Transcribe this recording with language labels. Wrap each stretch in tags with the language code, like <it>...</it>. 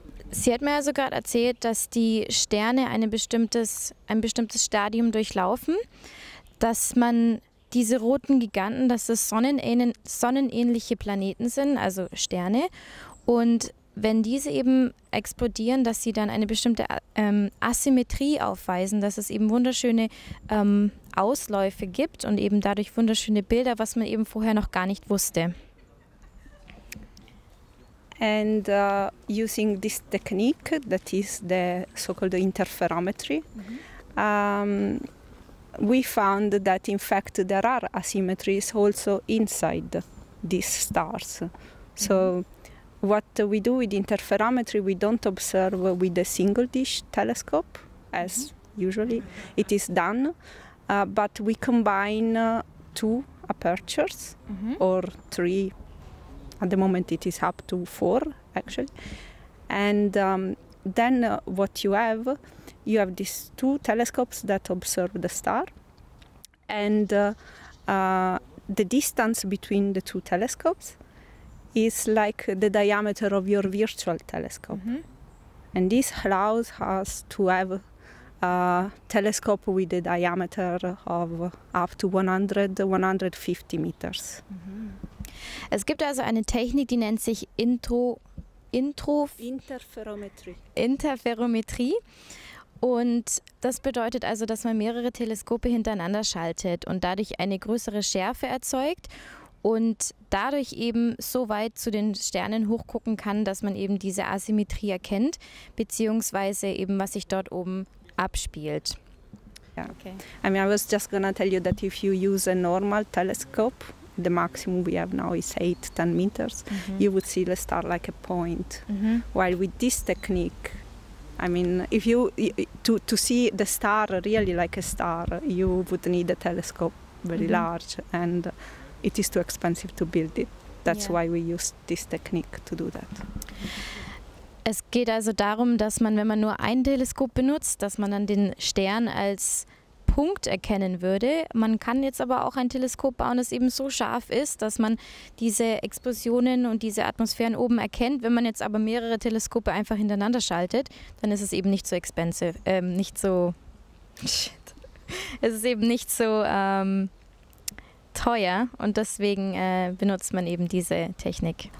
<de>Sie hat mir also gerade erzählt, dass die Sterne ein bestimmtes Stadium durchlaufen, dass man diese roten Giganten, dass das sonnenähnliche Planeten sind, also Sterne, und wenn diese eben explodieren, dass sie dann eine bestimmte Asymmetrie aufweisen, dass es eben wunderschöne Ausläufe gibt und eben dadurch wunderschöne Bilder, was man eben vorher noch gar nicht wusste.</de> <en>And using this technique, that is the so-called interferometry, mm-hmm. We found that in fact there are asymmetries also inside these stars. So mm-hmm. what we do with interferometry, we don't observe with a single dish telescope, as mm-hmm. usually it is done, but we combine two apertures mm-hmm. or three. At the moment it is up to 4 actually, and then what you have these two telescopes that observe the star, and the distance between the two telescopes is like the diameter of your virtual telescope, mm-hmm. and this allows us to have a telescope with a diameter of up to 100-150 meters. Mm-hmm.</en> <de>Es gibt also eine Technik, die nennt sich Interferometrie. Und das bedeutet also, dass man mehrere Teleskope hintereinander schaltet und dadurch eine größere Schärfe erzeugt und dadurch eben so weit zu den Sternen hochgucken kann, dass man eben diese Asymmetrie erkennt, beziehungsweise eben, was sich dort oben abspielt.</de> <en>Yeah. Okay. I mean, I was just gonna tell you that if you use a normal telescope, the maximum we have now is 8-10 meters, mm-hmm. you would see the star like a point. Mm-hmm. While with this technique, I mean, if you to see the star really like a star, you would need a telescope very mm-hmm. large, and it is too expensive to build it. That's yeah. why we use this technique to do that.</en> <de>Es geht also darum, dass man, wenn man nur ein Teleskop benutzt, dass man dann den Stern als Punkt erkennen würde. Man kann jetzt aber auch ein Teleskop bauen, das eben so scharf ist, dass man diese Explosionen und diese Atmosphären oben erkennt. Wenn man jetzt aber mehrere Teleskope einfach hintereinander schaltet, dann ist es eben nicht so expensive, nicht so, shit, es ist eben nicht so teuer, und deswegen benutzt man eben diese Technik.</de>